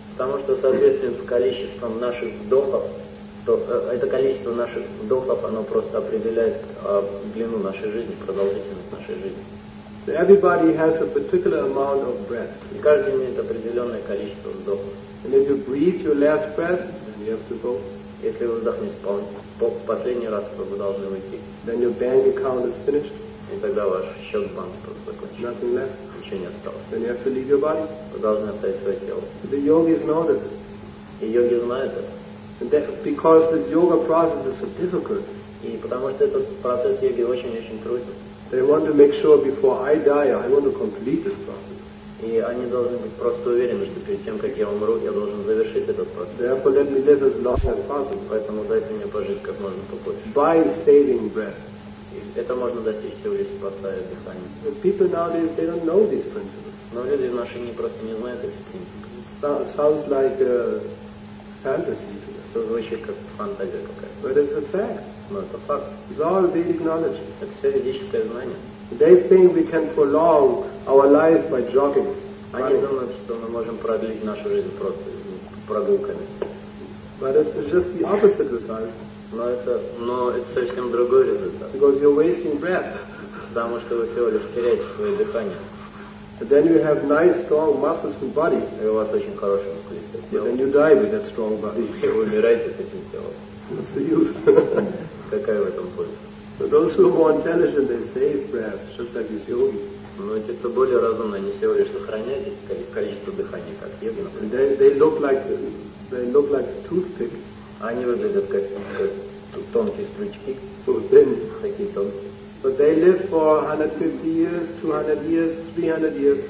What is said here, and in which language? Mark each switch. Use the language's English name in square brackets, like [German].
[Russian] Потому что соответственно с количеством наших вдохов, то это количество наших вдохов, оно просто определяет длину нашей жизни, продолжительность нашей жизни. [English] So everybody has a particular amount of breath. [Russian] И каждый имеет определенное количество вдохов. [English] And if you breathe your last breath, then you have to go. [Russian] Если вы вдохнете последний раз, то вы должны уйти. [English] Then your bank account is finished. [Russian] И тогда ваш счет в банке просто закончен. [English] Nothing left. [Russian] Ничего не осталось. [English] Then you have to leave your body. [Russian] Вы должны оставить свое тело. [English] So the yogis know this. [Russian] И йоги знают это. [English] And because this yoga process is so difficult. [Russian] И потому что этот процесс йоги очень-очень труден. [English] They want to make sure before I die, I want to complete this process. [Russian] И они должны быть просто уверены, что перед тем, как я умру, я должен завершить этот процесс. [English] Therefore, let me live as long as possible. [Russian] Поэтому дайте мне пожить как можно побольше. [English] By saving breath. [Russian] И это можно достичь всего лишь спасая дыхание. [English] The people nowadays, they don't know these principles. [Russian] Но люди наши не просто не знают эти принципы. [English] Sounds like a fantasy. [Russian] Это звучит как фантазия какая-то. [English] But it's a fact. [Russian] Но это факт. [English] It's all Vedic knowledge. [Russian] Это все ведическое знание. [English] They think we can prolong our life by jogging. [Russian] Они думают, что мы можем продлить нашу жизнь просто прогулками. [English] But it's just the opposite result. [Russian] Но это совсем другой результат. [English] Because you're wasting breath. [Russian] Потому что вы всего лишь теряете свое дыхание. [English] But then you have nice strong muscles in body. [Russian] И у вас очень хорошее мускулистое тело. [English] But then you die with that strong body. [Russian] И вы умираете с этим телом. [English] What's the use? [Russian] Какая в этом польза? [English] So those who are more intelligent, they save breath, just like these yogis. [Russian] Но эти, кто более разумные, они всего лишь сохраняют здесь количество дыхания, как йоги, например. [English] They look like toothpick. [Russian] Они выглядят как тонкие стручки. [English] So thin. [Russian] Такие тонкие. [English] But they live for 150 years, 200 years, 300 years.